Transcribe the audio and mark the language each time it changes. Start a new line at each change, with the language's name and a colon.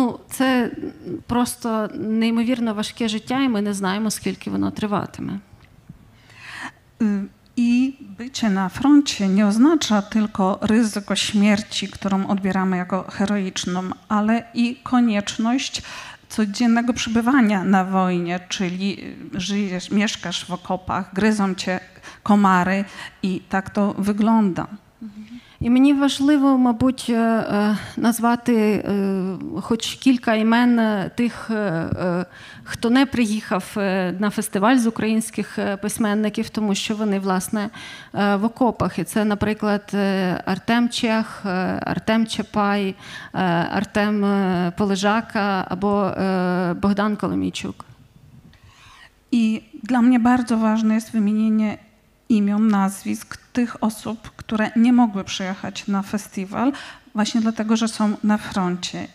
Ukrainian: Це просто неймовірно важке життя, і ми не знаємо, скільки воно триватиме. І бути на фронті не означає тільки ризик смерті, яку відбираємо як героїчну, але і конечність
Polish: codziennego przebywania na wojnie, czyli żyjesz, mieszkasz w okopach, gryzą cię komary i tak to wygląda.
Ukrainian: І мені важливо, мабуть, назвати хоч кілька імен тих, хто не приїхав на фестиваль з українських письменників, тому що вони, власне, в окопах. І це, наприклад, Артем Чех, Артем Чапай, Артем Полежака або Богдан Коломійчук. І для мене дуже важливе вимінення
Polish: imion, nazwisk tych osób, które nie mogły przyjechać na festiwal, właśnie dlatego, że są na froncie.